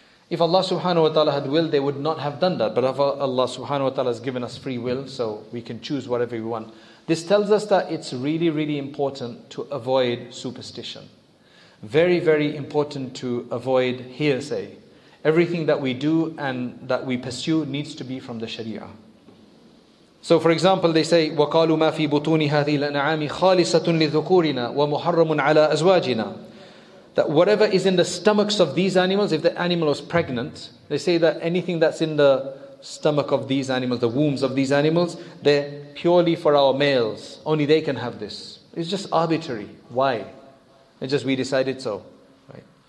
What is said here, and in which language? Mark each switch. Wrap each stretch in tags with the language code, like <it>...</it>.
<en>If Allah subhanahu wa ta'ala had willed, they would not have done that. But Allah subhanahu wa ta'ala has given us free will, so we can choose whatever we want. This tells us that it's really, really important to avoid superstition. Very, very important to avoid hearsay. Everything that we do and that we pursue needs to be from the Sharia. So for example, they say,</en> <ar>وَقَالُوا مَا فِي بُطُونِ هَذِي الْأَنْعَامِ خَالِصَةٌ لِذُكُورِنَا وَمُحَرَّمٌ عَلَىٰ أَزْوَاجِنَا.</ar> <en>That whatever is in the stomachs of these animals, if the animal was pregnant, they say that anything that's in the stomach of these animals, the wombs of these animals, they're purely for our males. Only they can have this. It's just arbitrary. Why? It's just we decided so. Right?</en>